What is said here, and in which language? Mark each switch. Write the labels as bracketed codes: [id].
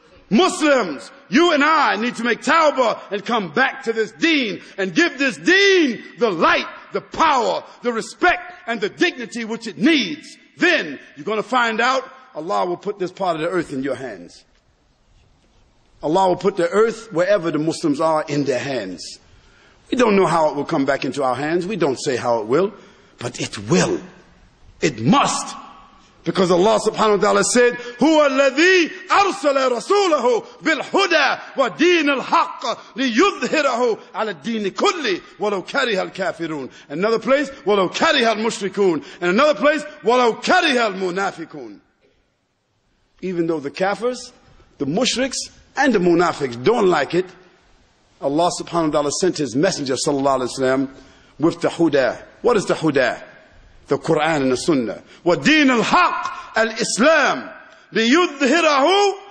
[en] Muslims, you and I need to make tawbah and come back to this deen and give this deen the light, the power, the respect, and the dignity which it needs. Then you're going to find out Allah will put this part of the earth in your hands. Allah will put the earth wherever the Muslims are in their hands. We don't know how it will come back into our hands. We don't say how it will, but it will. It must. Because Allah subhanahu wa ta'ala said, [ar] هُوَ الَّذِي أَرْسَلَ رَسُولَهُ بِالْهُدَى وَدِينَ الْحَقَّ لِيُظْهِرَهُ عَلَى الدِّينِ كُلِّ وَلَوْ كَرِهَ الْكَافِرُونَ. [en] Another place, [ar] وَلَوْ كَرِهَ الْمُشْرِكُونَ. [en] And another place, [ar] وَلَوْ كَرِهَ الْمُنَافِكُونَ. [en] Even though the kafirs, the mushriks, and the munafiks don't like it, Allah subhanahu wa ta'ala sent his messenger, sallallahu alayhi wa sallam, with the huda. What is the huda? The Quran and the Sunnah. [ar] وَدِينَ الْحَقِّ الْإِسْلَامِ لِيُظْهِرَهُ.